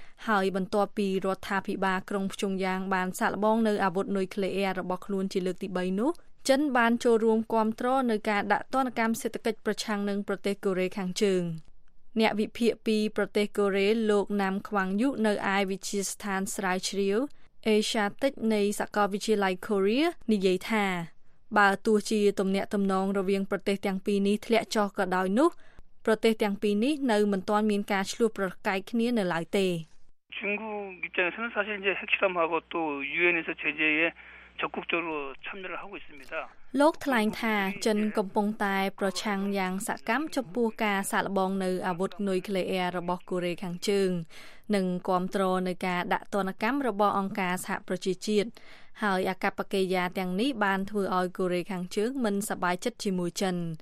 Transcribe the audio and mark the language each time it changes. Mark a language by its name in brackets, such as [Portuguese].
[Khmer] ហើយបន្ទាប់ពីរដ្ឋាភិបាលក្រុងព្យុងយ៉ាងបានសាកល្បងនៅអាវុធនុយក្លេអ៊ែររបស់ខ្លួនជាលើកទី3នោះចិនបានចូលរួមគាំទ្រនៅការដាក់ទណ្ឌកម្មសេដ្ឋកិច្ចប្រឆាំងនឹងប្រទេសកូរ៉េខាងជើងអ្នកវិភាគពីប្រទេសកូរ៉េលោកណាំខ្វាងយុនៅឯវិទ្យាស្ថានស្រាវជ្រាវអេសាតិចនៃសាកលវិទ្យាល័យកូរ៉េនិយាយថាបើទោះជាទំនាក់ទំនងរវាងប្រទេសទាំងពីរនេះធ្លាក់ចុះក៏ដោយនោះប្រទេសទាំងពីរនេះនៅមិនទាន់មានការឈ្លោះប្រកែកគ្នានៅឡើយទេ [Korean] 중국 입장에서는 사실 이제 핵실험하고 또 유엔에서 제재에 적극적으로 참여를 하고 있습니다. [Khmer] លោកថ្លែងថាចិនកំពុងតែប្រឆាំងយ៉ាងសកម្មចំពោះការសាកល្បងនៅអាវុធនុយក្លេអ៊ែររបស់កូរ៉េខាងជើងនិងគាំទ្រនៅការដាក់ទណ្ឌកម្មរបស់អង្គការសហប្រជាជាតិហើយអាកប្បកិរិយាទាំងនេះបានធ្វើឲ្យកូរ៉េខាងជើងមិនសប្បាយចិត្តជាមួយចិន